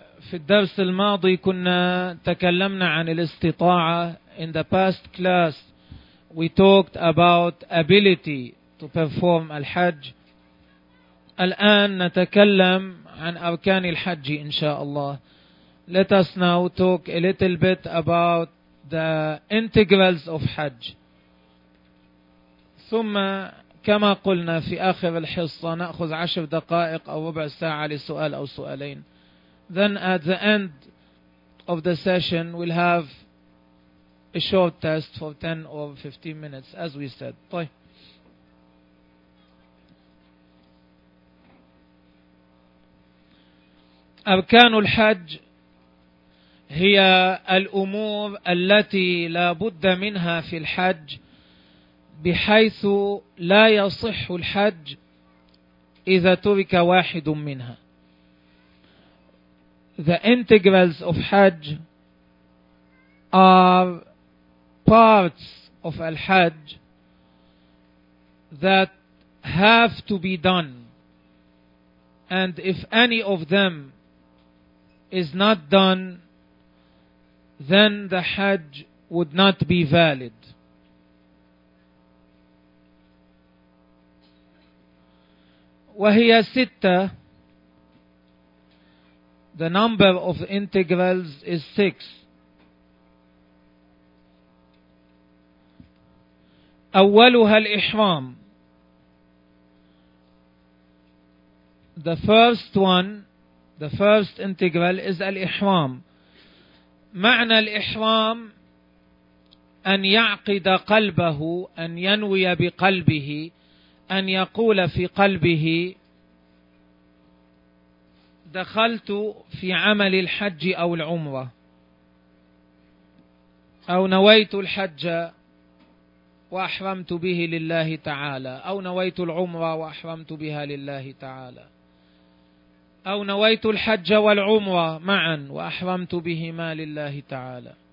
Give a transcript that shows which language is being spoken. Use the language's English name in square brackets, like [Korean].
[Arabic] في الدرس الماضي كنا تكلمنا عن الاستطاعة. [English] In the past class we talked about ability to perform الحج. [Arabic] الآن نتكلم عن أركان الحج إن شاء الله. [English] Let us now talk a little bit about the integrals of حج. [Arabic] ثم كما قلنا في آخر الحصة نأخذ 10 دقائق أو ربع ساعة لسؤال أو سؤالين. [English] Then at the end of the session we'll have a short test for 10 or 15 minutes as we said. [Arabic] أركان الحج هي الأمور التي لا بد منها في الحج بحيث لا يصح الحج إذا ترك واحد منها. [English] The integrals of Hajj are parts of Al-Hajj that have to be done. And if any of them is not done, then the Hajj would not be valid. [Arabic] وهي ستة. [English] The number of integrals is 6. [Arabic] أولها الإحرام. [English] The first one, the first integral is الإحرام. [Arabic] معنى الإحرام أن يعقد قلبه, أن ينوي بقلبه, أن يقول في قلبه دخلت في عمل الحج أو العمرة أو نويت الحج وأحرمت به لله تعالى أو نويت العمرة وأحرمت بها لله تعالى أو نويت الحج والعمرة معا وأحرمت بهما لله تعالى.